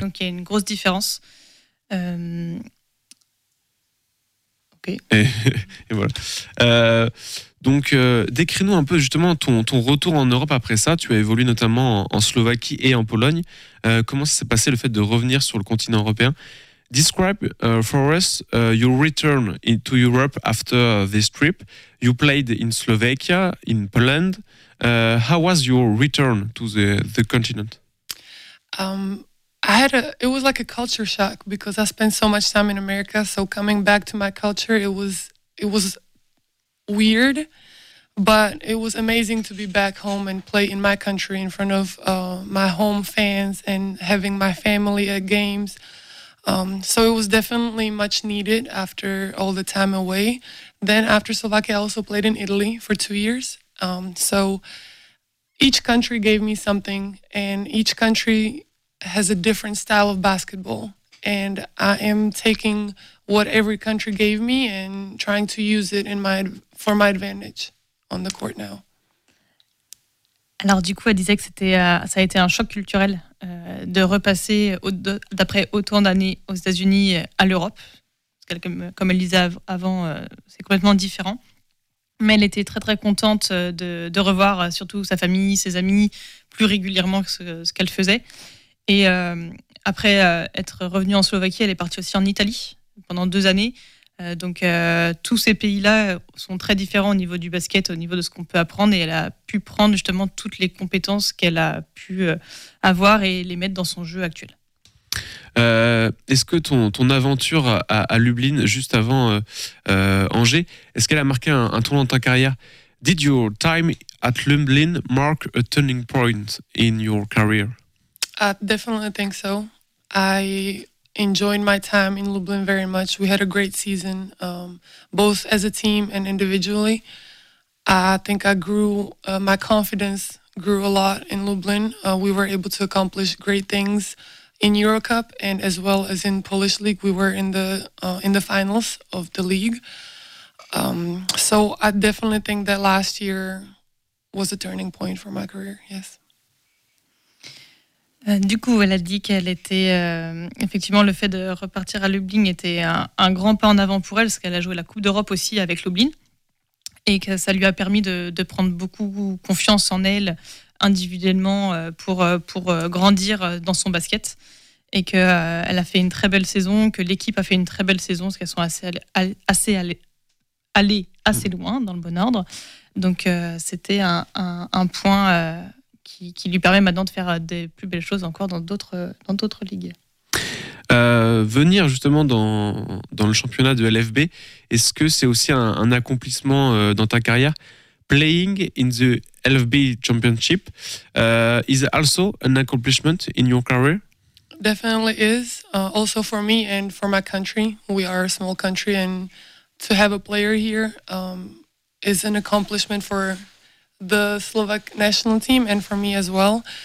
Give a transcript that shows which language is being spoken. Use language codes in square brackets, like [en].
[fr] Donc, il y a une grosse différence. OK. Et voilà. Décris-nous un peu justement ton retour en Europe après ça. Tu as évolué notamment en Slovaquie et en Pologne. Comment ça s'est passé le fait de revenir sur le continent européen? [en] Describe for us your return into Europe after this trip. You played in Slovakia, in Poland. How was your return to the continent? It was like a culture shock because I spent so much time in America. So coming back to my culture, it was weird, but it was amazing to be back home and play in my country in front of my home fans and having my family at games. So it was definitely much needed after all the time away. Then after Slovakia, I also played in Italy for 2 years. So each country gave me something, and each country has a different style of basketball. And I am taking what every country gave me and trying to use it for my advantage on the court now. [fr] Alors du coup, elle disait que ça a été un choc culturel de repasser d'après autant d'années aux États-Unis à l'Europe. Parce que comme elle disait avant, c'est complètement différent. Mais elle était très très contente de revoir surtout sa famille, ses amis, plus régulièrement que ce qu'elle faisait. Et après être revenue en Slovaquie, elle est partie aussi en Italie pendant 2 années. Tous ces pays-là sont très différents au niveau du basket, au niveau de ce qu'on peut apprendre. Et elle a pu prendre justement toutes les compétences qu'elle a pu avoir et les mettre dans son jeu actuel. Est-ce que ton aventure à Lublin, juste avant Angers, est-ce qu'elle a marqué un tournant dans ta carrière? [en] Did your time at Lublin mark a turning point in your career? I definitely think so. I enjoyed my time in Lublin very much. We had a great season, both as a team and individually. I think I grew, my confidence grew a lot in Lublin. We were able to accomplish great things in Eurocup and as well as in Polish League. We were in the finals of the league. So I definitely think that last year was a turning point for my career, yes. [fr] Du coup, elle a dit qu'elle était effectivement, le fait de repartir à Lublin était un grand pas en avant pour elle, parce qu'elle a joué la Coupe d'Europe aussi avec Lublin, et que ça lui a permis de prendre beaucoup confiance en elle individuellement pour grandir dans son basket, et que elle a fait une très belle saison, que l'équipe a fait une très belle saison, parce qu'elles sont assez loin dans le bon ordre. Donc c'était un point. Qui lui permet maintenant de faire des plus belles choses encore dans d'autres ligues. Venir justement dans le championnat de LFB, est-ce que c'est aussi un accomplissement dans ta carrière? [en] Playing in the LFB championship is also an accomplishment in your career? Definitely is. Also for me and for my country. We are a small country and to have a player here is an accomplishment for the Slovak national team and for me as well.